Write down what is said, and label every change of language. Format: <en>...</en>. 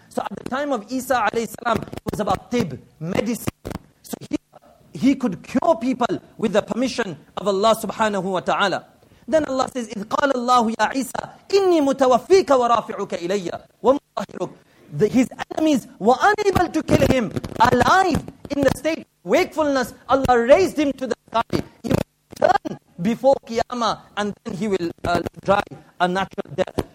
<en>So at the time of Isa alayhi salam, it was about tib, medicine. So he could cure people with the permission of Allah subhanahu wa ta'ala. Then Allah says,</en> <ar>إِذْ قَالَ اللَّهُ يَا عِيسَىٰ إِنِّي مُتَوَفِّيكَ وَرَافِعُكَ إِلَيَّ وَمُطَهِرُكَ.</ar> <en>His enemies were unable to kill him. Alive in the state of wakefulness, Allah raised him to the sky. He will turn before Qiyamah and then he will die a natural death.</en>